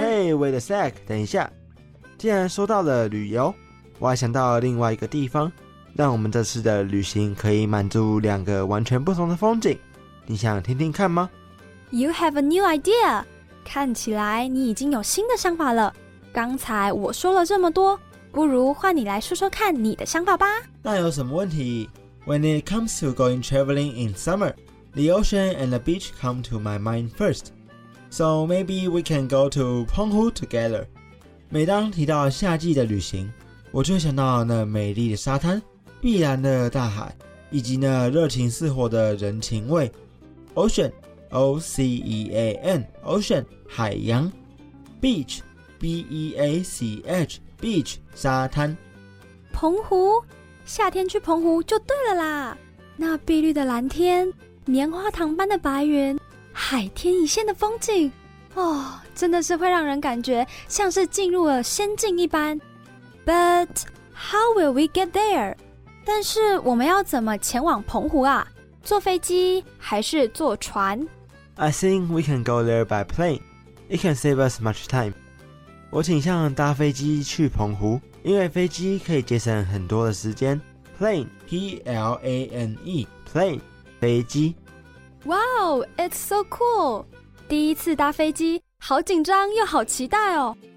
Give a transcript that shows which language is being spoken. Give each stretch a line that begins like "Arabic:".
English: Hey wait a sec，
Chinese: 等一下，既然说到了旅游，我还想到另外一个地方，让我们这次的旅行可以满足两个完全不同的风景，你想听听看吗？
English: You have a new idea，
Chinese: 看起来你已经有新的想法了。刚才我说了这么多，不如换你来说说看你的想法吧。那有什么问题？
English: When it comes to going traveling in summer, the ocean and the beach come to my mind first. So maybe we can go to Penghu together.
Chinese: 每当提到夏季的旅行，我就想到那美丽的沙滩、碧蓝的大海，以及那热情似火的人情味。
English: Ocean. O-C-E-A-N Ocean
Chinese: 海洋
English: Beach B-E-A-C-H Beach
Chinese: 沙滩。澎湖，夏天去澎湖就对了啦。那碧绿的蓝天，棉花糖般的白云，海天一线的风景，哦，真的是会让人感觉像是进入了仙境一般。
English: But how will we get there?
Chinese: 但是我们要怎么前往澎湖啊？坐飞机还是坐船？
English: I think we can go there by plane. It can save us much time.
Chinese: 我倾向搭飞机去澎湖，因为飞机可以节省很多的时间。
English: Plane, P-L-A-N-E, plane,
Chinese: 飞机。
English: Wow, it's so cool!
Chinese: 第一次搭飞机，好紧张又好期待哦。